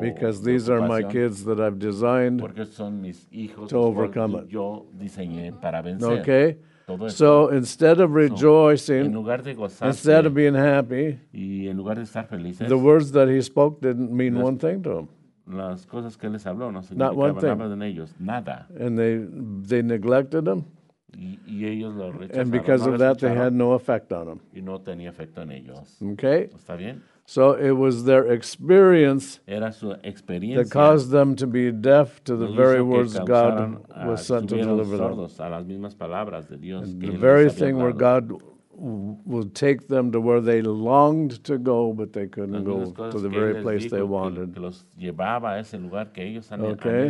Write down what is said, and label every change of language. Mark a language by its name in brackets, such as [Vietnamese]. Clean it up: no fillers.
[English] Because these are my kids that I've designed. [Spanish] Porque son mis hijos. [English] To overcome it. [Spanish] Yo diseñé para vencer. [English] Okay. So instead of rejoicing, [Spanish] en lugar de gozarse, [English] instead of being happy, [Spanish] y en lugar de estar felices, [English] the words that he spoke didn't mean one thing to them. [Spanish] Las cosas que les habló no significaban nada en ellos, nada. [English] And they neglected them. [Spanish] Y ellos lo rechazaron. [English] And because of that, they had no effect on them. [Spanish] Y no tenía efecto en ellos. [English] Okay. [Spanish] Está bien. [English] So it was their experience [Spanish] era su experiencia [English] that caused them to be deaf to the very words God was sent to deliver them. [Spanish] A las mismas palabras de Dios que [English] the very thing [Spanish] dado. [English] Where God would take them to where they longed to go, but they couldn't go to the very place they wanted. [Spanish] Que los llevaba a ese lugar que ellos okay.